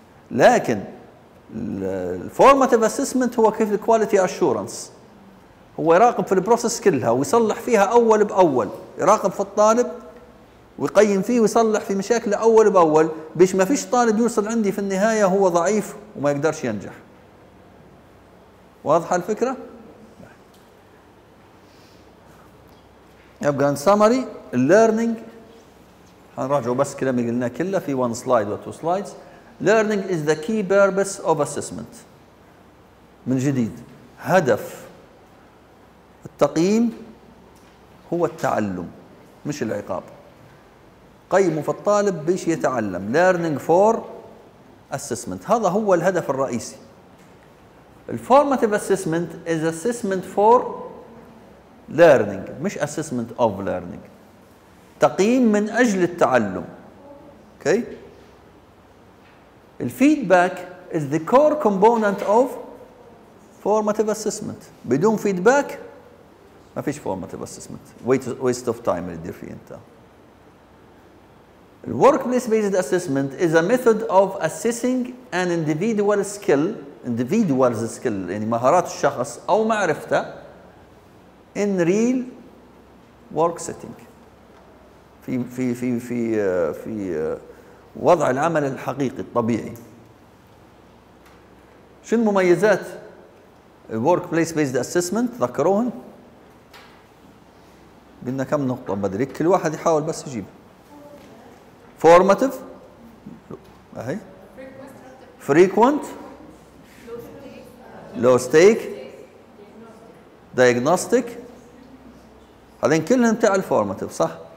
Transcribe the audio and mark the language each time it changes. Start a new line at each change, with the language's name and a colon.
Arabic: لكن الفورماتيف اسسمنت هو كيف الكواليتي اشورنس، هو يراقب في البروسس كلها ويصلح فيها اول باول، يراقب في الطالب ويقيم فيه ويصلح في مشاكله اول باول، باش ما فيش طالب يوصل عندي في النهايه هو ضعيف وما يقدرش ينجح. واضحه الفكره؟ يبقى ان سامري الليرنينج، هنراجعوا بس كلامي قلناه كله في وان سلايد وتو سلايدز.
English: Learning is the key purpose of assessment.
Arabic: من جديد، هدف التقييم هو التعلم مش العقاب. قيموا في الطالب بيش يتعلم.
English: Learning for assessment،
Arabic: هذا هو الهدف الرئيسي.
English: Formative assessment is assessment for learning مش assessment of learning.
Arabic: تقييم من أجل التعلم. Okay.
English: الفيدباك is the core component of formative assessment.
Arabic: بدون فيدباك ما فيش formative assessment.
English: Waste of time
Arabic: اللي دير فيه انت.
English: Workplace-based assessment is a method of assessing an individual skill, individual's skill
Arabic: يعني مهارات الشخص أو معرفته
English: in real work setting.
Arabic: في في في في في وضع العمل الحقيقي الطبيعي. شنو مميزات Workplace-based assessment؟ ذكروهن. قلنا كم نقطة بدري، كل واحد يحاول بس يجيب. فورماتيف اهي، فريكوينت، لو ستيك، دايجنوستيك، هذين كلهم تاع الفورماتيف صح.